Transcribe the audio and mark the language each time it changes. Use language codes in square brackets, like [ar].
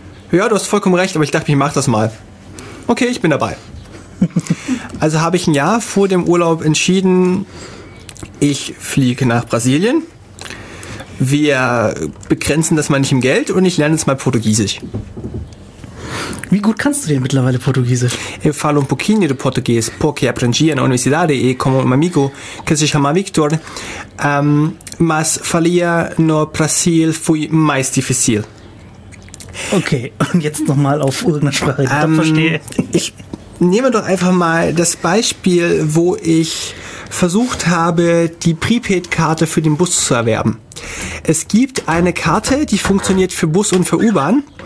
[de] Ja, du hast vollkommen recht, aber ich dachte, ich mach das mal. Okay, ich bin dabei. Also habe ich ein Jahr vor dem Urlaub entschieden, ich fliege nach Brasilien. Wir begrenzen das mal nicht im Geld und ich lerne jetzt mal Portugiesisch. Wie gut kannst du denn mittlerweile Portugiesisch? [pt] Eu falo um pouquinho de português, porque aprendi na universidade e como um amigo que se chama Victor, mas falar no Brasil foi mais difícil. [de] Okay, und jetzt nochmal auf irgendeine Sprache, die ich verstehe. Ich nehme doch einfach mal das Beispiel, wo ich versucht habe, die Prepaid-Karte für den Bus zu erwerben. Es gibt eine Karte, die funktioniert für Bus und für U-Bahn.